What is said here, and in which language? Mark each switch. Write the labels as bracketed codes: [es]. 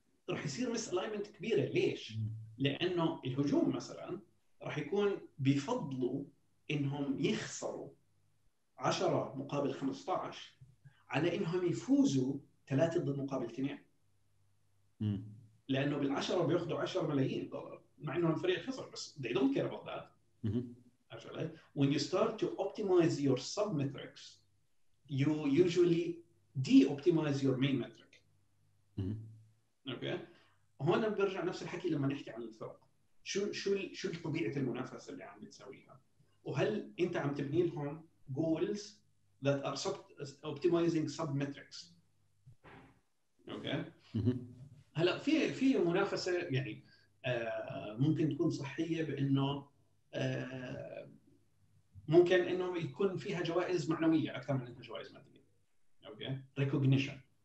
[ar] رح يصير مس الاينمنت كبيره. ليش؟ لانه الهجوم مثلا رح يكون بيفضلوا انهم يخسروا 10 مقابل 15 على انهم يفوزوا 3 ضد مقابل 2، لانه بالعشرة بياخذوا $10,000,000 مع انه الفريق خسر، بس [en] they don't care about that. Actually, when you start to optimize your sub metrics you usually de-optimize your main metric. [ar] اوكي. هون برجع نفس الحكي لما نحكي عن الفرق، شو طبيعه المنافسه اللي عم بتسويها، وهل انت عم تبني لهم [en] goals that are optimizing sub metrics. [ar] اوكي. هلا في منافسه يعني ممكن تكون صحيه، بانه ممكن انه يكون فيها جوائز معنويه اكثر من انها جوائز ماديه. Recognition.